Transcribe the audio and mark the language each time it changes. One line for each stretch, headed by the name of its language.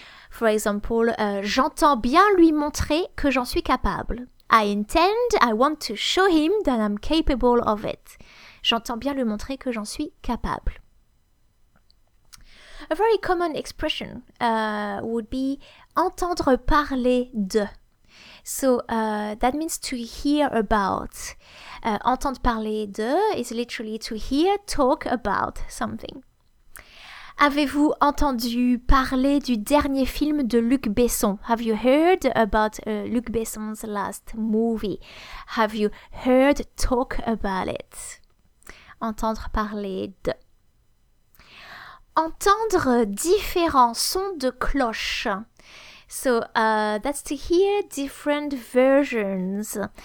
English: For example,
French: j'entends bien lui montrer que j'en suis capable.
English: I intend, I want to show him that I'm capable of it.
French: J'entends bien lui montrer que j'en suis capable.
English: A very common expression would be
French: entendre parler de.
English: So that means to hear about.
French: Entendre parler de
English: is literally to hear, talk about something.
French: Avez-vous entendu parler du dernier film de Luc Besson?
English: Have you heard about Luc Besson's last movie? Have you heard talk about it?
French: Entendre parler de. Entendre différents sons de cloche.
English: So, that's to hear different versions.